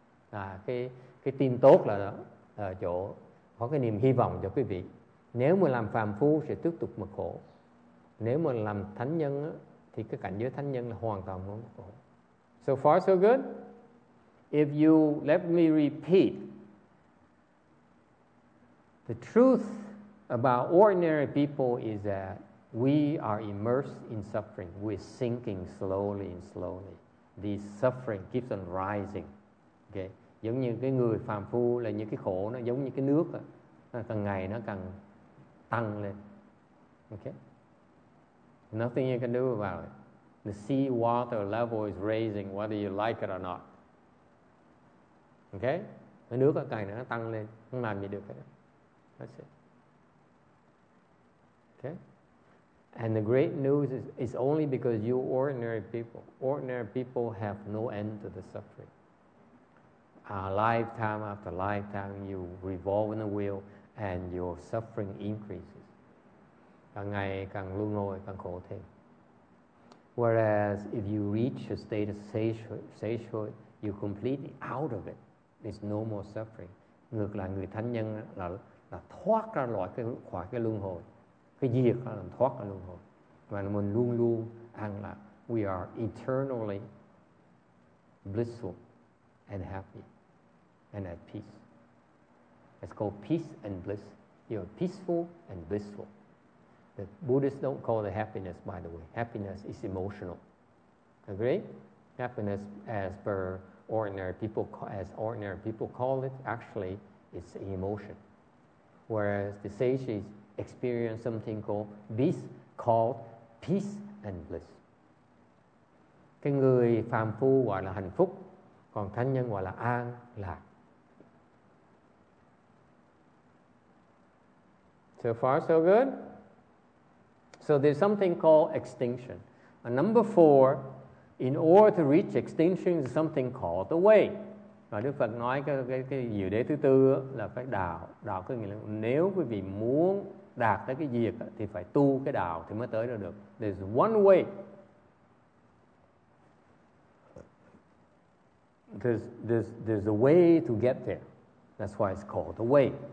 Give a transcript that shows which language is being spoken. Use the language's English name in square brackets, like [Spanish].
[Vietnamese] À, cái tin tốt là đó, là chỗ có cái niềm hy vọng cho quý vị. Nếu mà làm phàm phu sẽ tiếp tục mà khổ. Nếu mà làm thánh nhân á, thì cái cảnh giới thánh nhân là hoàn toàn không khổ. [English] So far so good. If you let me repeat, the truth about ordinary people is that we are immersed in suffering. We're sinking slowly and slowly. This suffering keeps on rising. Okay, [Vietnamese] giống như cái người phàm phu là những cái khổ nó giống như cái nước đó. Nó càng ngày nó càng tăng lên. [English] Okay. Nothing you can do about it. The sea water level is raising whether you like it or not. Okay? [Vietnamese] Cái nước càng ngày nó tăng lên, không làm gì được hết. [English] That's it. Okay? And the great news is it's only because you ordinary people. Ordinary people have no end to the suffering. Lifetime after lifetime, you revolve in the wheel and your suffering increases. [Vietnamese] Càng ngày càng luân hồi, càng khổ thêm. [English] Whereas if you reach a state of sagehood, you're completely out of it. There's no more suffering. [Vietnamese] Ngược lại, người thánh nhân là thoát ra khỏi cái luân hồi. Cái diệt là thoát ra luân hồi. Và mình luôn luôn an lạc. [English] We are eternally blissful and happy and at peace. It's called peace and bliss. You're peaceful and blissful. The Buddhists don't call it happiness, by the way. Happiness is emotional. Agree? Happiness, as per ordinary people, as ordinary people call it, actually, it's emotion. Whereas the sages experience something called bliss, called peace and bliss. Cái người phàm phu gọi là hạnh phúc, còn thánh nhân gọi là an lạc. So far, so good. So there's something called extinction. And number four, in order to reach extinction, is something called the way. [Vietnamese] Và Đức Phật nói cái diệu đế thứ tư là phải đạo. Đạo có nghĩa là nếu quý vị muốn đạt tới cái diệt thì phải tu cái đạo thì mới tới được. [English] There's one way. There's a way to get there. That's why it's called the way.